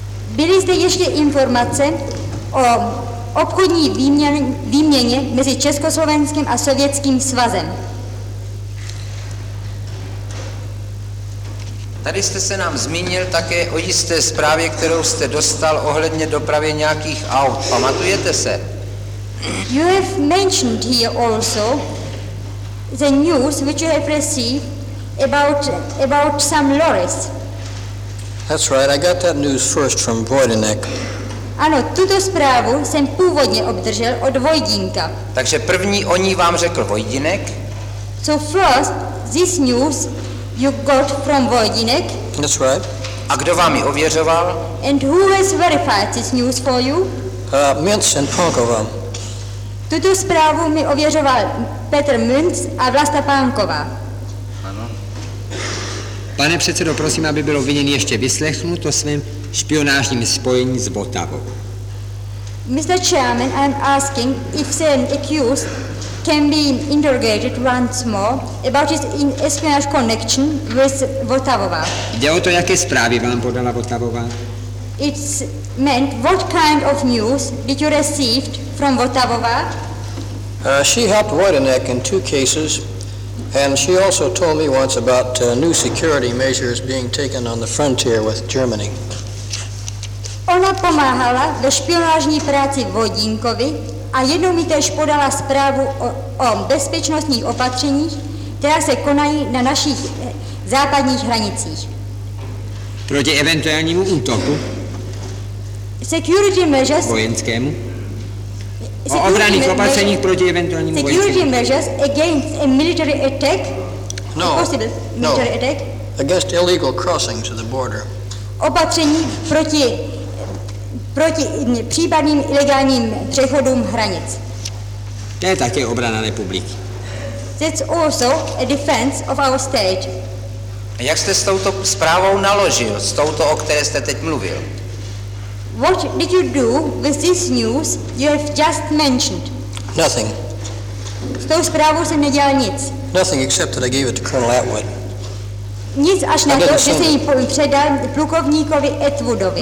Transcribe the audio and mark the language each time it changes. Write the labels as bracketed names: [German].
[Czech] Byly zde ještě informace o obchodní výměně mezi Československým a Sovětským svazem. Tady jste se nám zmínil také o jisté zprávě, kterou jste dostal ohledně dopravy nějakých aut. Pamatujete se? [English] You have mentioned here also the news which you have received about some lorries. That's right, I got that news first from Vojdínek. [Czech] Ano, tuto zprávu jsem původně obdržel od Vojdínka. Takže první o ní vám řekl Vojdínek? [English] So first, this news you got from Vojdínek? That's right. [Czech] A kdo vám ji ověřoval? [English] And who has verified this news for you? Mintz and Pankova. [Czech] Tuto zprávu mi ověřoval Petr Mintz a Vlasta Pánková. Ano. Pane předsedo, prosím, aby byl obviněný ještě vyslechnut o svém špionážním spojení s Votavou. [English] Mr. Chairman, I'm asking if the accused can be interrogated once more about his espionage connection with Votavová. [Czech] Jde o to, jaké zprávy vám podala Votavová? [English] It's meant what kind of news did you receive from Votavová? She helped Vojdínek in two cases, and she also told me once about new security measures being taken on the frontier with Germany. [Czech] Ona pomáhala ve špionážní práci Vojdínkovi a jednou mi též podala zprávu o bezpečnostních opatřeních, která se konají na našich západních hranicích. Proti eventuálnímu útoku? [English] Security measures? [Czech] Vojenskému? O obranných opatřeních proti eventuálnímu vojenskému? [English] Security measures against a military attack? No. Possible military attack? Against illegal crossing to the border. [Czech] Opatření proti případným ilegálním přechodům hranic. To je také obrana republiky. [English] That's also a defense of our state. [Czech] A jak jste s touto zprávou naložil, s touto, o které jste teď mluvil? [English] What did you do with this news you have just mentioned? Nothing. [Czech] S tou zprávou jsem nedělal nic. [English] Nothing except that I gave it to Colonel Atwood. [Czech] Nic až na to, že se jí předal plukovníkovi Atwoodovi.